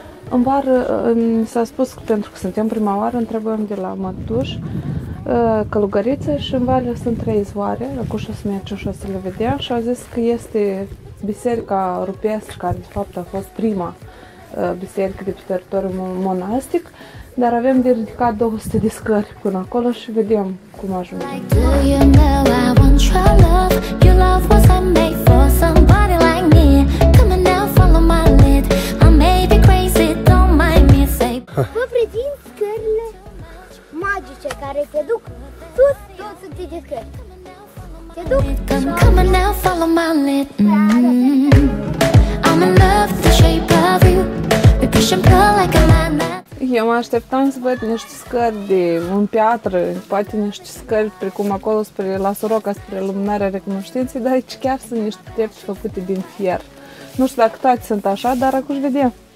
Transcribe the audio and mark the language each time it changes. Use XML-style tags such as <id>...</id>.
<ro>În vară s-a spus că pentru că suntem prima oară, întrebăm de la mătuș călugărițe și în vară sunt trei zvoare, răcușa să mergem și o să le vedem, și au zis că este biserica rupestră, care de fapt a fost prima biserică de pe teritoriul monastic, dar avem de ridicat 200 de scări până acolo și vedem cum ajungem.</ro> <en>Like, do you know I want your love? Your love was made for somebody like me. Come on now, follow my lead. I may be crazy, don't mind me, say.</en> <ro>Vă prezint scările magice care te duc sus, 200 de scări. Te duc.</ro> <en>Come on now, follow my lead. I'm in love with the shape of you. We push and pull like a magnet.</en> <ro>Eu mă așteptam să văd niște scări de un piatră, poate niște scări precum acolo spre la Soroca, spre lumânarea recunoștinței, dar aici chiar sunt niște trepte făcute din fier. Nu știu dacă toate sunt așa, dar acum își vedem.</ro>